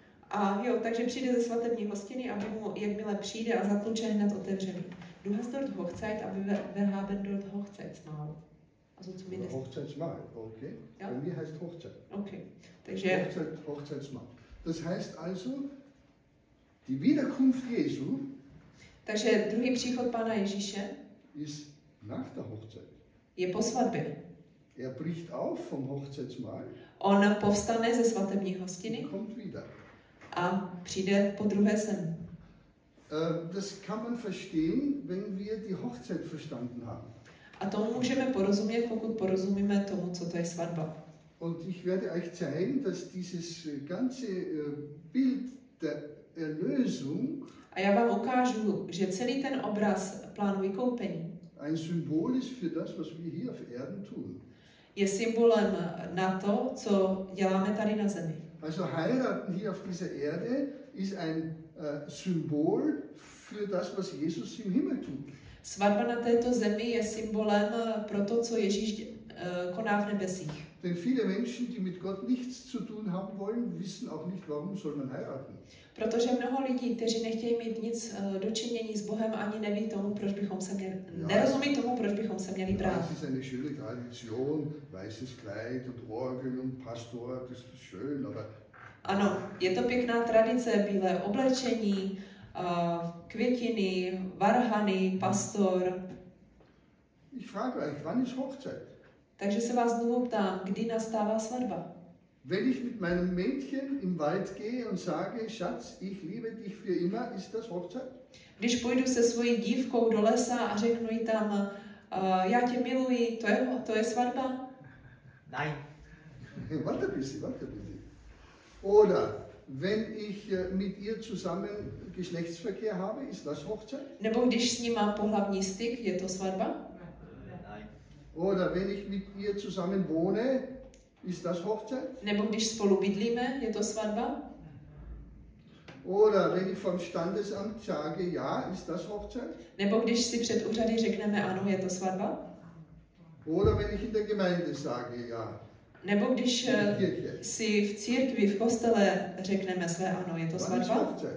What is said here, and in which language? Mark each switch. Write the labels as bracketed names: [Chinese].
[Czech] A jo, takže přijde ze svatební hostiny, aby mu jakmile přijde a zatluče hned otevřený. [German] Du hast dort Hochzeit, aby wir haben dort Hochzeitsmahl. Also zumindest. Hochzeitsmahl, okay. Ja? Bei mir heißt Hochzeit. [Czech] Okay. Takže [German] Hochzeitsmahl. Das heißt also, die Wiederkunft Jesu. [Czech] Takže druhý příchod Pána Ježíše. [German] Ist nach der Hochzeit. [Czech] Je po svatbě. [German] Er bricht auf vom Hochzeitsmahl. [Czech] On povstane ze svatební hostiny. [German] Kommt wieder. [Czech] A přijde po druhé sem. [German] Das kann man verstehen, wenn wir die Hochzeit verstanden haben. [Czech] A tomu můžeme porozumět, pokud porozumíme tomu, co to je svatba. [German] Und ich werde euch zeigen, dass dieses ganze Bild der Erlösung. [Czech] A já vám ukážu, že celý ten obraz plánu vykoupení. [German] Ein Symbol ist für das, was wir hier auf Erden tun. [Czech] Je symbolem na to, co děláme tady na zemi. [German] Also heiraten hier auf dieser Erde ist ein Symbol für das, was Jesus im Himmel tut. [Czech] Svatba na této zemi je symbolem pro to, co Ježíš koná v nebesích. [German] Denn viele Menschen, die mit Gott nichts zu tun haben wollen, wissen auch nicht, warum soll man heiraten. [Czech] Protože mnoho lidí, kteří nechtějí mít nic dočinění s Bohem, ani neví tomu, proč bychom se měli, nerozumí tomu, proč bychom se měli brát. [German] Das ist eine schöne Tradition, weißes Kleid und Orgel und Pastor, das ist schön, aber... [Czech] Ano, je to pěkná tradice, bílé oblečení, květiny, varhany, pastor. [German] Ich frage euch, wann ist Hochzeit? [Czech] Takže se vás znovu ptám, kdy nastává svatba? [German] Wenn ich mit meinem Mädchen im Wald gehe und sage, Schatz, ich liebe dich für immer, ist das Hochzeit? [Czech] Když půjdu se svojí dívkou do lesa a řeknu jí tam, já tě miluji, to je svatba? [German] Nein. Warte bitte, warte bitte. Oder wenn ich mit ihr zusammen Geschlechtsverkehr habe, ist das Hochzeit? [Czech] Nebo když s ní mám pohlavní styk, je to svatba? [German] Oder wenn ich mit ihr zusammen wohne, ist das Hochzeit? [Czech] Nebo když spolu bydlíme, je to svatba? [German] Oder wenn ich vom Standesamt sage, ja, ist das Hochzeit? [Czech] Nebo když si před úřady řekneme ano, je to svatba? [German] Oder wenn ich in der Gemeinde sage, ja. [Czech] Nebo když si v církvi, v kostele řekneme své ano, je to svatba?